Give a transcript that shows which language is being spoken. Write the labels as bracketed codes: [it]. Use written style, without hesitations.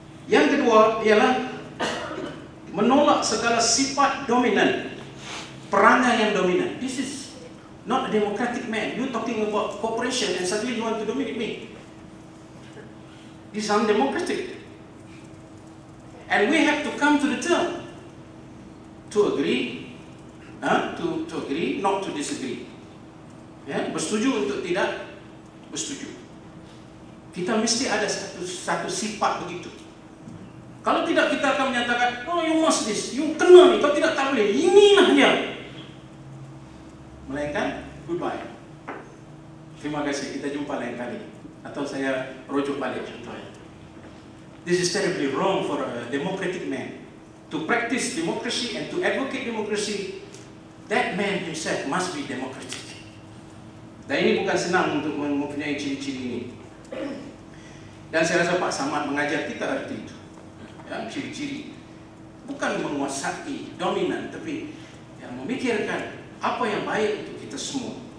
[ms] Yang kedua ialah menolak segala sifat dominan. Perangai yang dominan. [en] This is not a democratic man. You talking about cooperation and suddenly you want to dominate me. This is undemocratic. And we have to come to the term to agree, to agree, not to disagree. [ms] Yeah? Bersetuju untuk tidak bersetuju. Kita mesti ada satu sifat begitu. Kalau tidak, kita akan menyatakan, [en] oh you must this, [ms] you kena ni, kalau tidak tak boleh, inilah dia. Melainkan, goodbye. Terima kasih, kita jumpa lain kali. Atau saya rujuk balik contohnya. [en] This is terribly wrong for a democratic man. To practice democracy and to advocate democracy, that man himself must be democratic. [ms] Dan ini bukan senang untuk mempunyai ciri-ciri ini. Dan saya rasa Pak Samad mengajar kita arti itu. Dan ciri-ciri bukan menguasai, dominan, tapi yang memikirkan apa yang baik untuk kita semua.